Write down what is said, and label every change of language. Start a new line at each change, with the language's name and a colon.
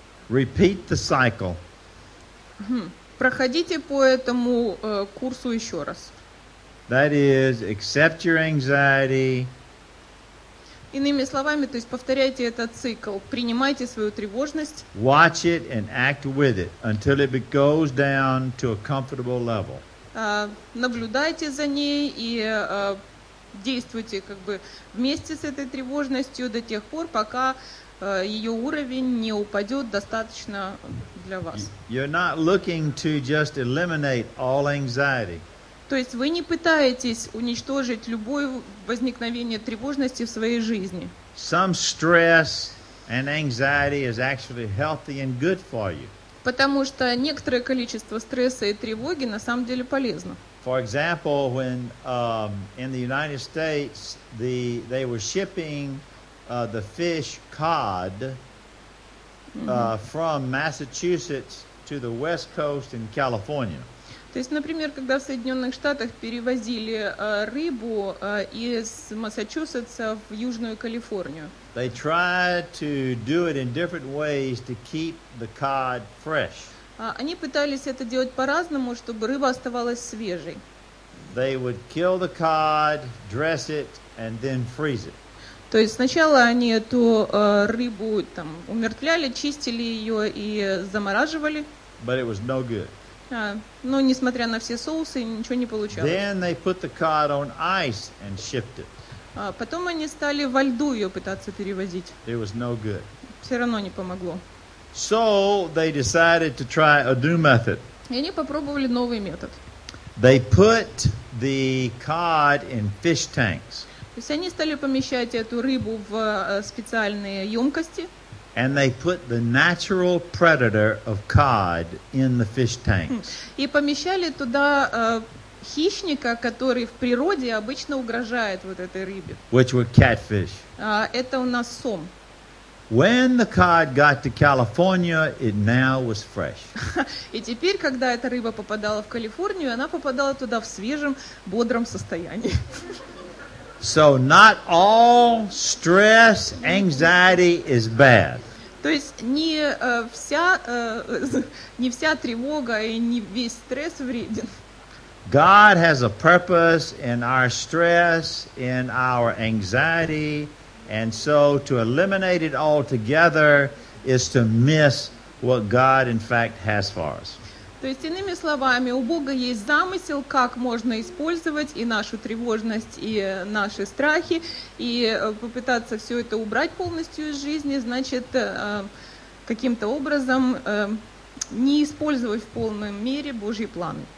English: Repeat the cycle.
Russian: Проходите по этому курсу еще раз.
English: That is, accept your anxiety.
Russian: Иными словами, то есть повторяйте этот цикл. Принимайте свою тревожность.
English: Watch it and act with it until it goes down to a comfortable level.
Russian: Наблюдайте за ней и действуйте как бы вместе с этой тревожностью до тех пор, пока ее уровень не упадет достаточно для вас.
English: You're not looking to just eliminate all anxiety.
Russian: То есть вы не пытаетесь уничтожить любое возникновение тревожности в своей жизни.
English: Some stress and anxiety is actually healthy and good for you.
Russian: Потому что некоторое количество стресса и тревоги на самом деле полезно.
English: For example, when in the United States they were shipping the fish cod from Massachusetts to the West Coast in California.
Russian: То есть, например, когда в Соединенных Штатах перевозили рыбу из Массачусетса в Южную Калифорнию.
English: They tried to do it in different ways to keep the cod fresh.
Russian: Они пытались это делать по-разному, чтобы рыба оставалась свежей.
English: They would kill the cod, dress it, and then freeze it.
Russian: То есть сначала они эту рыбу там умертвляли, чистили ее и замораживали.
English: But it was no good.
Russian: Но несмотря на все соусы, ничего не получалось.
English: Then they put the cod on ice and shipped it.
Russian: Потом они стали во льду ее пытаться перевозить.
English: It was no good.
Russian: Все равно не помогло.
English: So they decided to try a new method.
Russian: И они попробовали новый метод.
English: They put the cod in fish tanks.
Russian: То есть они стали помещать эту рыбу в специальные емкости.
English: And they put the natural predator of cod in the fish tanks.
Russian: И помещали туда хищника, который в природе обычно угрожает вот этой рыбе.
English: Which were catfish.
Russian: Это у нас сом.
English: When the cod got to California, it now was fresh.
Russian: И теперь, когда эта рыба попадала в Калифорнию, она попадала туда в свежем, бодром состоянии.
English: So not all stress, anxiety is bad.
Russian: То есть не вся тревога и не весь стресс вреден.
English: God has a purpose in our stress, in our anxiety. And so to eliminate it altogether is to miss what God in fact has for us.
Russian: То есть, иными словами, у Бога есть замысел, как можно использовать и нашу тревожность, и наши страхи, и попытаться все это убрать полностью из жизни, значит, каким-то образом не использовать в полной мере Божьи планы.